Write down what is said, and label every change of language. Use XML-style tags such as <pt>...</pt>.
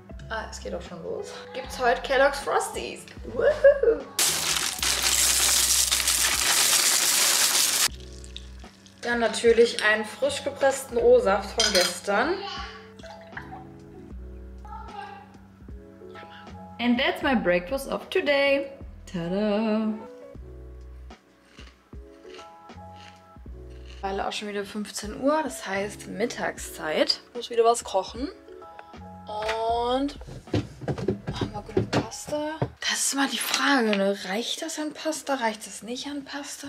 <de>Ah, es geht auch schon los. Gibt's heute Kellogg's Frosties. Woohoo! Dann natürlich einen frisch gepressten O-Saft von gestern.</de> <en>And that's my breakfast of today. Tada!</en> <de>Weil auch schon wieder 15 Uhr, das heißt Mittagszeit. Ich muss wieder was kochen. Und machen wir gute Pasta. Das ist immer die Frage, ne? Reicht das an Pasta? Reicht das nicht an Pasta?</de>